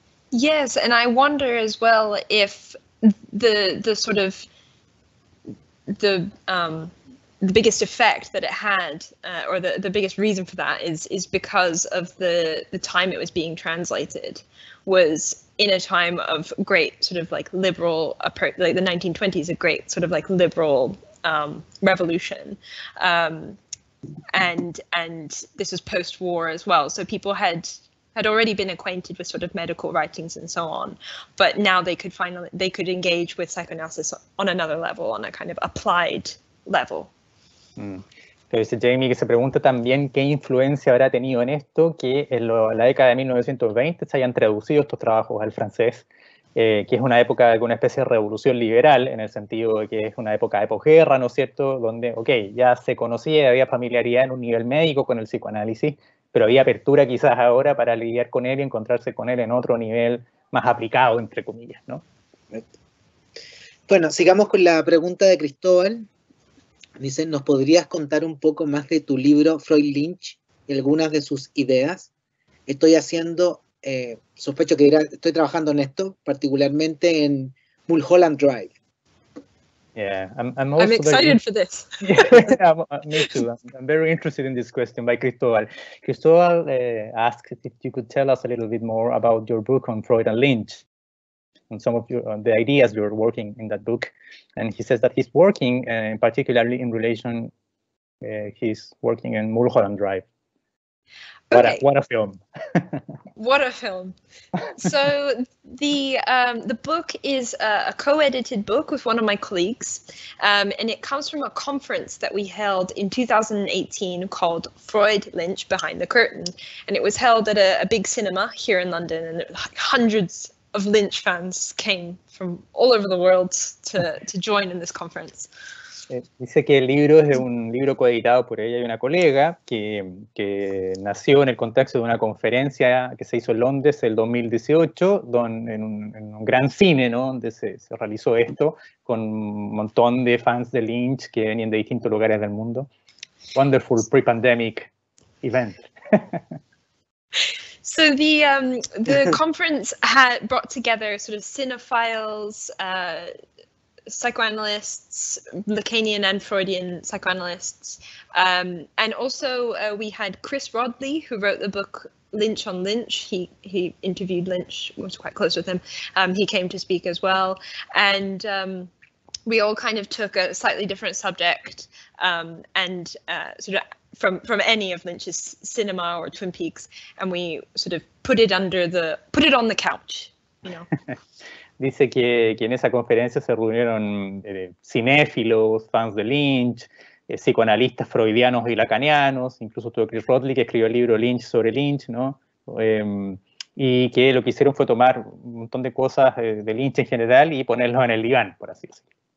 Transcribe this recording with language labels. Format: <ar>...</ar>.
<en>Yes, and I wonder as well if the sort of the biggest effect that it had, or the biggest reason for that is because of the time it was being translated, was in a time of great sort of like liberal, like the 1920s, a great sort of like liberal revolution, and this was post-war as well, so people had already been acquainted with sort of medical writings and so on, but now they could engage with psychoanalysis on another level, on a kind of applied level.</en> <es>Pero dice Jamie que se pregunta también qué influencia habrá tenido en esto que en la década de 1920 se hayan traducido estos trabajos al francés, que es una época de una especie de revolución liberal, en el sentido de que es una época de posguerra, ¿no es cierto? Donde, ok, ya se conocía, había familiaridad en un nivel médico con el psicoanálisis, pero había apertura quizás ahora para lidiar con él y encontrarse con él en otro nivel más aplicado, entre comillas, ¿no? Bueno, sigamos con la pregunta de Cristóbal. Dice, ¿nos podrías contar un poco más de tu libro Freud Lynch y algunas de sus ideas? Estoy haciendo, sospecho que estoy trabajando en esto, particularmente en Mulholland Drive.</es> <en>Yeah, I'm also I'm excited for this. me too. I'm very interested in this question by Cristóbal. Cristóbal asked if you could tell us a little bit more about your book on Freud and Lynch, and some of your, the ideas you're working in that book. And he says that he's working particularly in relation, he's working in Mulholland Drive. Okay. What a film. What a film. So the book is a co-edited book with one of my colleagues, and it comes from a conference that we held in 2018 called Freud Lynch Behind the Curtain. And it was held at a big cinema here in London, and hundreds of Lynch fans came from all over the world to join in this conference.</en> <es>Dice que el libro es de un libro coeditado por ella y una colega que nació en el contexto de una conferencia que se hizo en Londres el 2018 en un gran cine, ¿no? Donde se realizó esto con un montón de fans de Lynch que venían de distintos lugares del mundo.</es> <en>Wonderful pre-pandemic event. So the conference had brought together sort of cinephiles, psychoanalysts, Lacanian and Freudian psychoanalysts, and also we had Chris Rodley, who wrote the book Lynch on Lynch. He interviewed Lynch, was quite close with him. He came to speak as well, and we all kind of took a slightly different subject and sort of from any of Lynch's cinema or Twin Peaks, and we sort of put it on the couch, you know.</en> <es>Dice que en esa conferencia se reunieron cinéfilos, fans de Lynch, psicoanalistas freudianos y lacanianos, incluso tuvo Chris Rodley, que escribió el libro Lynch sobre Lynch, ¿no? Y que lo que hicieron fue tomar un montón de cosas de Lynch en general y ponerlo en el diván, por así decirlo.</es>